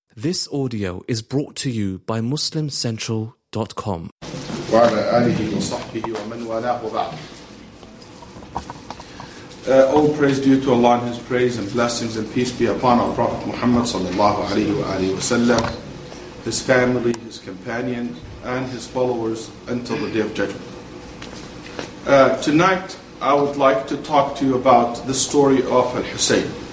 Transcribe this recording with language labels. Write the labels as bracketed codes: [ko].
[en] This audio is brought to you by MuslimCentral.com. [ar] وعلى آله وصحبه ومن والاه وبعد. [en] All praise due to Allah and His praise and blessings and peace be upon our Prophet Muhammad sallallahu alayhi wa alayhi wa sallam, his family, his companion, and his followers until the Day of Judgment. Tonight, I would like to talk to you about the story of Al-Husayn.